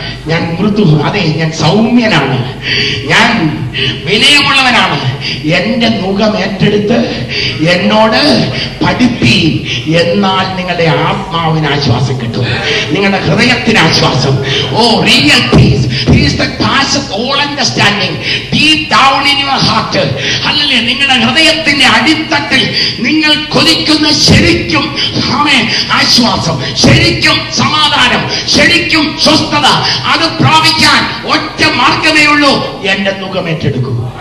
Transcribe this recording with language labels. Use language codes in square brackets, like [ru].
[ml] ഞാൻ മൃദു, അതെ ഞാൻ സൗമ്യനാണ്, ഞാൻ വിനയമുള്ളവനാണ്. എന്റെ നുഖം ഏറ്റെടുത്ത് എന്നോട് പഠിപ്പീൻ, എന്നാൽ നിങ്ങളുടെ ആത്മാവിന് ആശ്വാസം കിട്ടും, നിങ്ങളുടെ ഹൃദയത്തിന് ആശ്വാസം. [en] Oh real peace. He is the passeth all understanding deep down in your heart. Hallelujah. [ml] നിങ്ങളുടെ ഹൃദയത്തിന്റെ അടിത്തട്ടിൽ നിങ്ങൾ കൊതിക്കുന്ന ശരിക്കും ആമേൻ ആശ്വാസം, ശരിക്കും സമാധാനം, ശരിക്കും സ്വസ്ഥത, അത് പ്രാപിക്കാൻ ഒറ്റ മാർഗമേ ഉള്ളൂ, എന്റെ നുഖം ഏറ്റെടുക്കൂ.